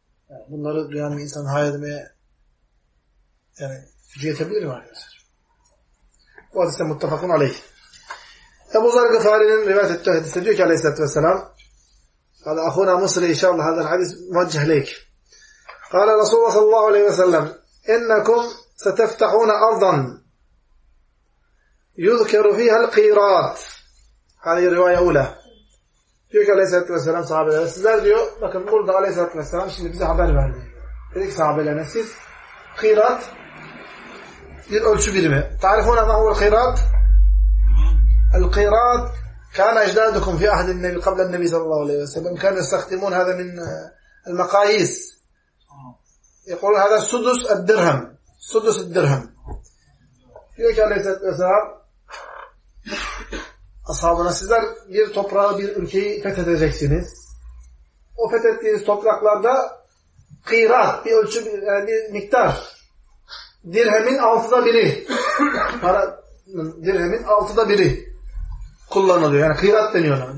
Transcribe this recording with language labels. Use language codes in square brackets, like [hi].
[tr] Yani bunları duyan bir insan hayal etmeye yani gücü yetebilir mi arkadaşlar? Bu hadiste muttefakun aleyh. Ebu Zer Gıfari'nin rivayet ettiği hadiste diyor ki aleyhissalatü vesselam, [ar] قال أخونا مصري إن شاء الله هذا الحديث موجه ليك. قال رسول الله صلى الله عليه وسلم إنكم ستفتحون أرضا يذكر فيها القيراط. هذه الرواية الأولى. يقول عليه الصلاة والسلام صحابة لنا. [tr] sizler diyor bakın burada عليه الصلاة والسلام şimdi bize haber verdi. Dedik [ar] صحابة لنا [tr] siz قيراط bir ölçü birimi. [ar] تعرفون ما هو القيراط؟ القيراط كان أجدادكم في عهد النبي قبل النبي صلى الله عليه وسلم كانوا يستخدمون هذا من المقاييس. يقول هذا سدس الدرهم. سدس الدرهم. [tr] Diyor ki Aleyhisselatü Vesselam ashabına, sizler bir toprağı, bir ülkeyi fethedeceksiniz. O fethettiğiniz topraklarda kıyra, bir ölçü, yani bir miktar dirhemin altıda biri para, dirhemin altıda biri kullanılıyor. Yani kıyrat deniyor.